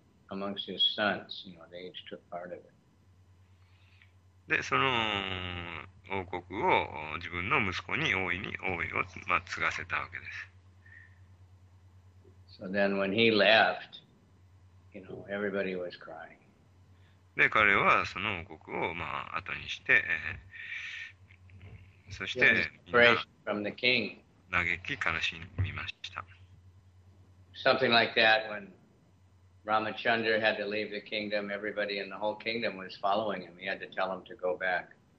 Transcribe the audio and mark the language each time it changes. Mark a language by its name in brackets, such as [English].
[English] amongst his sons, you know, they each took part of it. [Japanese] で、その王国を自分の息子に大いに王位を、まあ、継がせたわけです。 [English] So then when he left, you know, everybody was crying. [Japanese] で、彼はその王国を、まあ、後にして、そしてみんな [English] From the king. [Japanese] 嘆き悲しみました。 [English] Something like that when Ramachandra had to leave the kingdom, everybody in the whole kingdom was following him. He had to tell him to go back.